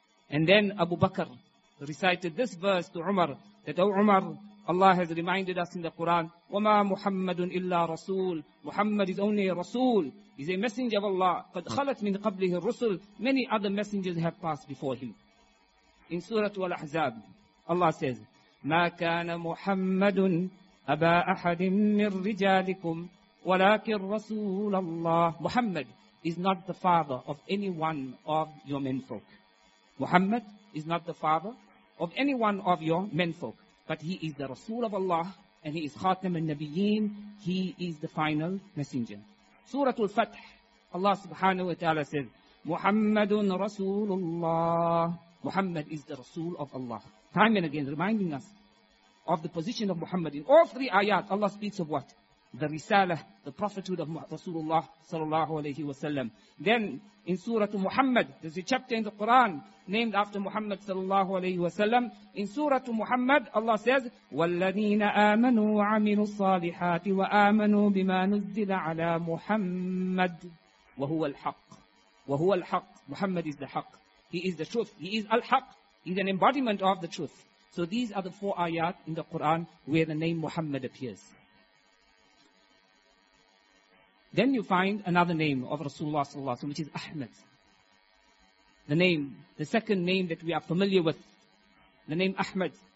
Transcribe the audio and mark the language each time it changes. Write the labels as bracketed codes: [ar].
[en] And then Abu Bakr recited this verse to Umar, that, O Umar, Allah has reminded us in the Quran, [ar] وَمَا مُحَمَّدٌ إِلَّا رَسُولٌ. [en] Muhammad is only a Rasul. He's a messenger of Allah. [ar] قَدْ خَلَتْ مِنْ قَبْلِهِ الرُّسُلُ. [en] Many other messengers have passed before him. In Surah Al-Ahzab, Allah says, [ar] مَا كَانَ مُحَمَّدٌ أَبَا أَحَدٍ مِّنْ رِجَالِكُمْ وَلَكِنْ رَسُولَ اللَّهِ. [en] Muhammad is not the father of any one of your menfolk. Muhammad is not the father of any one of your menfolk. But he is the Rasul of Allah, and he is Khatam al-Nabiyyin. He is the final messenger. Surah Al-Fath, Allah subhanahu wa ta'ala says, Muhammadun Rasulullah. Muhammad is the Rasul of Allah. Time and again, reminding us of the position of Muhammad. In all 3 ayat, Allah speaks of what? The Risalah, the prophethood of Rasulullah sallallahu alayhi wa sallam. Then, in Surah Muhammad, there's a chapter in the Quran named after Muhammad sallallahu alayhi wa sallam. In Surah Muhammad, Allah says, [ar] وَالَّذِينَ آمَنُوا وَعَمِلُوا الصَّالِحَاتِ وَآمَنُوا بِمَا نُزِّلَ عَلَى مُحَمَّدٍ وَهُوَ الْحَقِّ. وَهُوَ الْحَقِّ. [en] Muhammad is the haqq. He is the truth. He is al-haqq. He's an embodiment of the truth. So these are the 4 ayat in the Quran where the name Muhammad appears. Then you find another name of Rasulullah sallallahu alaihi wasallam, which is Ahmad. The name, the second name that we are familiar with, the name Ahmad.